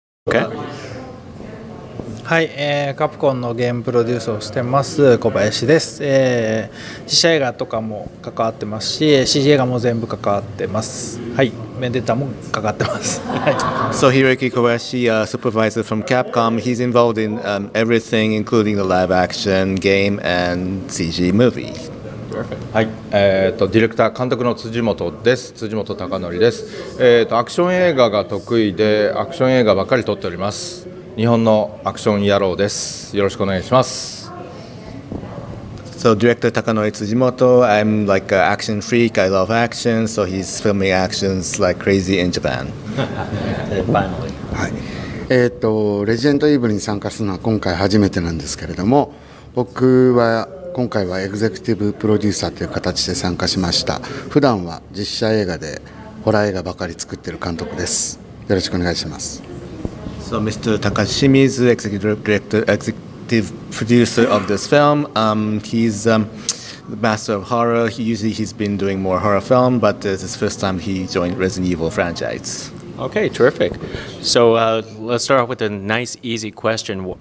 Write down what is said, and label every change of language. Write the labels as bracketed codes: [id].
[ja] はい、カプコンのゲームプロデュースをしてます小林です。実写映画とかも関わってますし、 CG 映画も全部関わってます。はい、Vendettaも関わってます。 [en] So Hiroyuki Kobayashi, supervisor from Capcom, he's involved in everything including the live action game and CG movie. [ja] はい、ディレクター監督の辻本です。辻本貴則です。アクション映画が得意でアクション映画ばかり撮っております。日本のアクション野郎です。よろしくお願いします。 [en] So director Takanori Tsujimoto, I'm like an action freak, I love action, so he's filming actions like crazy in Japan. Finally. [ja] レジェンドイーブルに参加するのは今回初めてなんですけれども、僕は今回はエグゼクティブプロデューサーという形で参加しました。普段は実写映画でホラー映画ばかり作ってる監督です。よろしくお願いします。 [en] So Mr. Takashi Shimizu, executive director, executive producer of this film. He's the master of horror. Usually he's been doing more horror film, but this is his first time he joined Resident Evil franchise. Okay, terrific. So let's start off with a nice, easy question.